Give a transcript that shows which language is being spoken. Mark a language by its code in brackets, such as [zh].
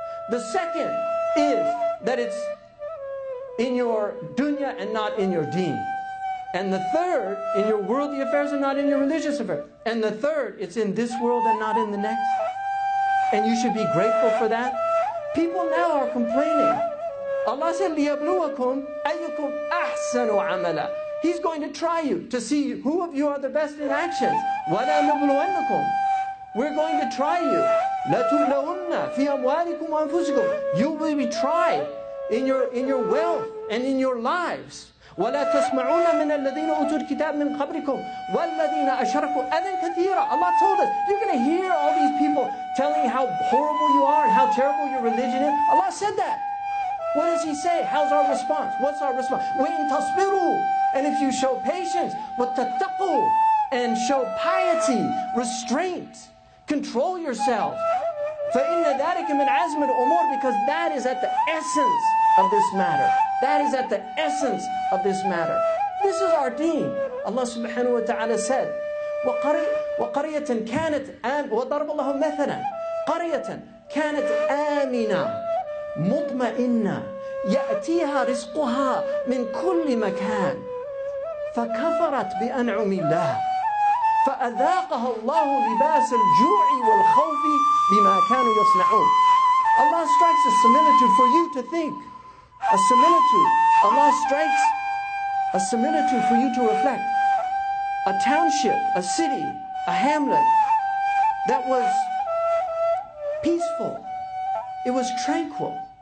[en] The second is that it's in your dunya and not in your deen. And the third, in your worldly affairs and not in your religious affairs. And the third, it's in this world and not in the next. And you should be grateful for that. People now are complaining. Allah said, [ar] لِيَبْلُوَكُمْ أَيُّكُمْ أَحْسَنُ عَمَلًا. [en] He's going to try you to see who of you are the best in actions. [ar] وَلَنَبْلُوَنَّكُمْ. [en] We're going to try you. [ar] لَتُبْلَوُنَّ فِي أَمْوَالِكُمْ وَأَنفُسِكُمْ. [en] You will be tried in your wealth and in your lives. [ar] وَلَا تَسْمَعُونَ مِنَ الَّذِينَ أُوتُوا الْكِتَابَ مِنْ قَبْلِكُمْ وَالَّذِينَ أَشْرَكُوا أَذًى كَثِيرًا. [en] Allah told us, you're going to hear all these people telling you how horrible you are and how terrible your religion is. Allah said that. What does He say? How's our response? What's our response? [ar] وَإِن تَصْبِرُوا. [en] And if you show patience, [ar] وَتَتَّقُوا. [en] And show piety, restraint, control yourself. [ar] فَإِنَّ ذَلِكَ مِنْ عَزْمِ الْأُمُورِ. [en] Because that is at the essence of this matter. That is at the essence of this matter. This is our deen. Allah subhanahu wa ta'ala said, [ar] وَقَرِيَةً كَانَتْ آمِنَةً وَضَرَبَ اللَّهُ مَثَلًا قَرِيَةً كَانَتْ آمِنَةً مُطْمَئِنَّةً يَأْتِيهَا رِزْقُهَا مِنْ كُلِّ مَكَانٍ فَكَفَرَتْ بِأَنْعُمِ اللَّهِ فَأَذَاقَهَا اللَّهُ لِبَاسَ الْجُوعِ وَالْخَوْفِ بِمَا كَانُوا يَصْنَعُونَ. [en] Allah strikes a similitude for you to think. A similitude. Allah strikes a similitude for you to reflect. A township, a city, a hamlet that was peaceful. It was tranquil.